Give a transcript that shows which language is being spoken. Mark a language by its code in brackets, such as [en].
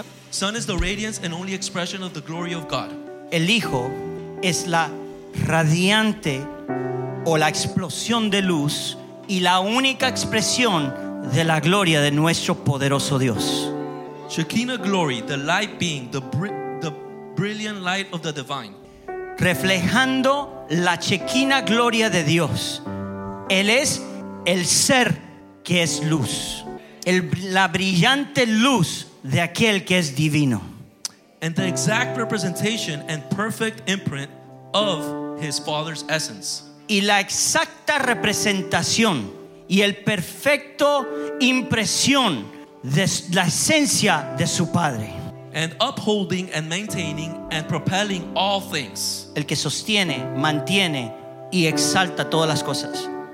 [en] Sun is the radiance and only expression of the glory of God. [es] El hijo es la radiante o la explosión de luz y la única expresión de la gloria de nuestro poderoso Dios. [en] Shekinah glory, the light being, the brilliant light of the divine. [es] Reflejando la Shekinah gloria de Dios. Él es el ser que es luz. La brillante luz de aquel que es divino. [en] And the exact representation and perfect imprint of his father's essence. [es] Y la exacta representación y el perfecto impresión de la esencia de su padre. [en] And upholding and maintaining and propelling all things. [es] El que sostiene, mantiene y exalta todas las cosas.